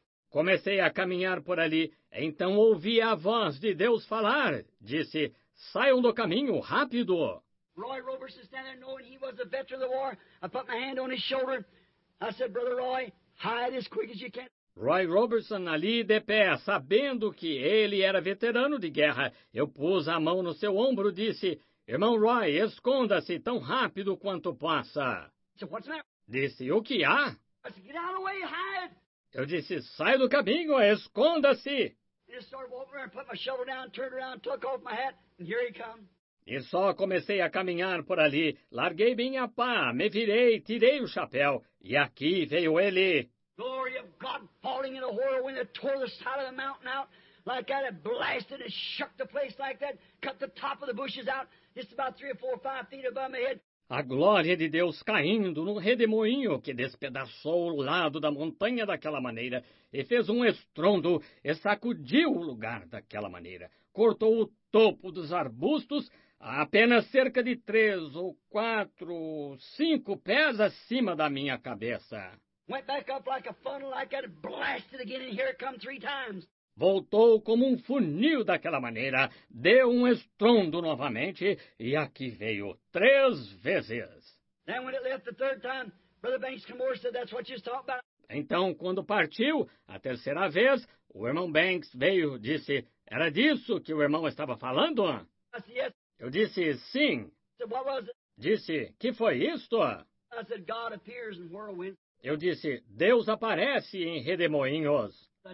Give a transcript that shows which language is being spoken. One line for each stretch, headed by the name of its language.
Portuguese: Comecei a caminhar por ali, então ouvi a voz de Deus falar, disse, saiam do caminho, rápido.
English: Roy Roberson stand there knowing he was a veteran of the war. I put my hand on his shoulder. I said, Brother Roy, hide as quick as you can.
Portuguese: Roy Roberson ali de pé, sabendo que ele era veterano de guerra, eu pus a mão no seu ombro e disse, irmão Roy, esconda-se tão rápido quanto possa.
English: So what's that?
Portuguese: Disse, o que há?
English: I said, get out of the way, hide.
Portuguese: Eu disse, sai do caminho, esconda-se.
English: I just started walking around, put my shovel down, turned around, took off my hat, and here he comes.
Portuguese: E só comecei a caminhar por ali, larguei minha pá, me virei, tirei o chapéu, e aqui veio ele.
English: Glory of God falling in a whirlwind that tore the side of the mountain out like that. It blasted and shook the place like that. Cut the top of the bushes out just about 3 or 4 or 5 feet above my head.
Portuguese: A glória de Deus caindo num redemoinho que despedaçou o lado da montanha daquela maneira e fez um estrondo e sacudiu o lugar daquela maneira. Cortou o topo dos arbustos a apenas cerca de 3 ou 4, 5 pés acima da minha cabeça.
English: Went back up like a funnel, like that, blasted again, and here it come 3 times.
Portuguese: Voltou como um funil daquela maneira, deu um estrondo novamente, e aqui veio 3 vezes.
English: Then when it left the third time, Brother Banks came over and said, that's what you're talking about.
Portuguese: Então, quando partiu, a terceira vez, o irmão Banks veio e disse, era disso que o irmão estava falando?
English: I said, yes.
Portuguese: Eu disse, sim.
English: So what was it?
Portuguese: Disse, que foi isto?
English: I said, God appears in whirlwinds.
Portuguese: Eu disse, Deus aparece em redemoinhos.